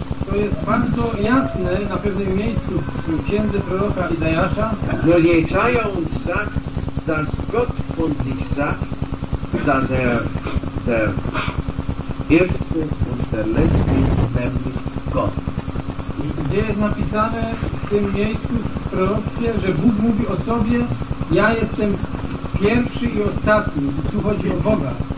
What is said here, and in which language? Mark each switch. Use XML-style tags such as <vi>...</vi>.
<pl>To jest bardzo jasne na pewnym miejscu w księdze proroka Izajasza.</pl> <de>Wo Jesaja uns sagt, dass Gott von sich sagt, dass er der erste und der letzte, nämlich Gott.</de> <pl>Gdzie jest napisane w tym miejscu w prorokcie, że Bóg mówi o sobie, ja jestem pierwszy i ostatni, tu chodzi o Boga.</pl>